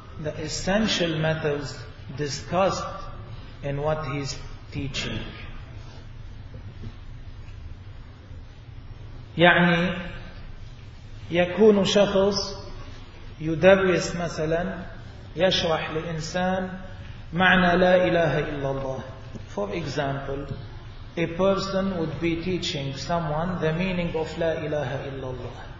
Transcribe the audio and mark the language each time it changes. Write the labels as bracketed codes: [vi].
[en] the essential methods discussed in what he's teaching. [ar] يعني يكون شخص يدرس مثلا يشرح لإنسان معنى لا إله إلا الله. [en] For example, a person would be teaching someone the meaning of [ar] لا إله إلا الله.